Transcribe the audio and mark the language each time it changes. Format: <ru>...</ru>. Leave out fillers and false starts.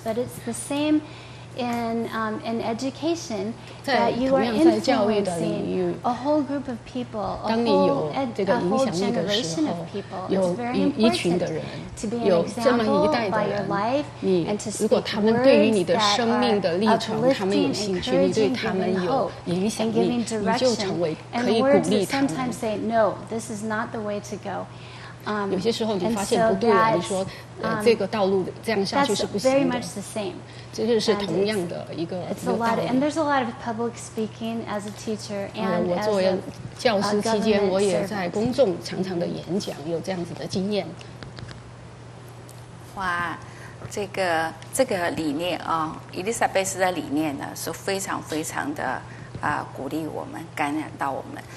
<en>But it's the same in education, that you are influencing a whole group of people, a whole generation of people. It's very important to be an example by your life and to speak words that are uplifting, encouraging, giving hope, and giving direction. And words that sometimes say, no, this is not the way to go.</en> <zh>有些时候你发现不对了，你说这个道路这样下去是不行的，这就是同样的一个道理。</zh> <en>And there's a lot of public speaking as a teacher and as a</en> <zh>我作为教师期间，我也在公众常常的演讲，有这样子的经验。哇，这个理念啊，伊丽莎白斯的理念呢，是非常非常的鼓励我们，感染到我们。</zh>